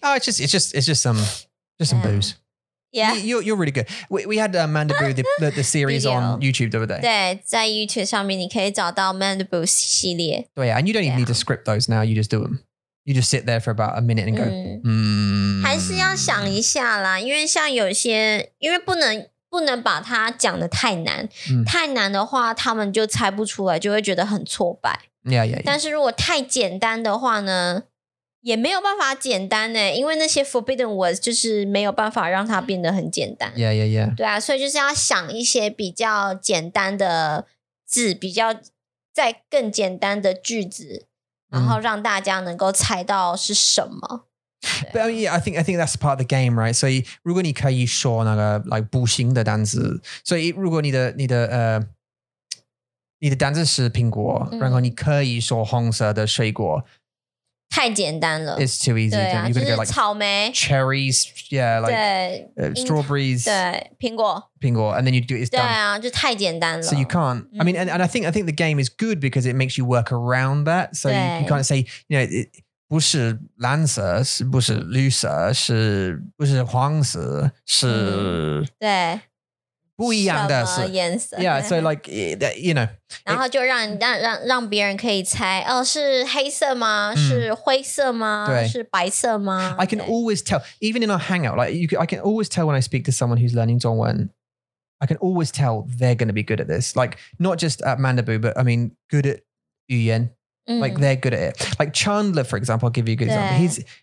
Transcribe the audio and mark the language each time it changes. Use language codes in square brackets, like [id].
[en] Oh, it's just some boos. Yeah. You're really good. We had Mandibu, the series on YouTube the other day. [zh] 对,在 YouTube 上面你可以找到 Mandibu 系列。对啊, [en] and you don't even need to script those now, you just do them. you just sit there for about a minute and go, [zh] 还是要想一下啦，因为像有些，因为不能把它讲得太难，太难的话，他们就猜不出来，就会觉得很挫败。 [en] Yeah, yeah, yeah. [zh] 但是如果太简单的话呢，也没有办法简单耶，因为那些 [en] forbidden words [zh] 就是没有办法让它变得很简单。 [en] Yeah, yeah, yeah. [zh] 对啊，所以就是要想一些比较简单的字，比较再更简单的句子，然后让大家能够猜到是什么。 [en] But I mean, yeah, I think that's part of the game, right? [zh] So, 如果你可以说那个 like 不行的单字，所以如果你的单字是苹果，然后你可以说红色的水果，太简单了 [en] ，it's too easy. [zh] 对啊，就是草莓 [en] ，cherries, yeah, like strawberries, [zh] 对，苹果 [en] ，and then you do it. [zh] 对啊，就太简单了。 [en] So you can't. I mean, and I think the game is good because it makes you work around that. So you can't say, you know. [zh] It,不是蓝色，是不是绿色，是不是黄色，是对不一样的什么颜色 [en] ？Yeah, so like you know， [zh] 然后就让别人可以猜，哦，是黑色吗？是灰色吗？是白色吗 [en] ？I can always tell, even in our hangout, like you, I can always tell when I speak to someone who's learning 中文。 I can always tell they're going to be good at this, like not just at Mandibu, but I mean good at [zh] 语言。 [en] Like they're good at it. Like Chandler, for example, I'll give you a good example.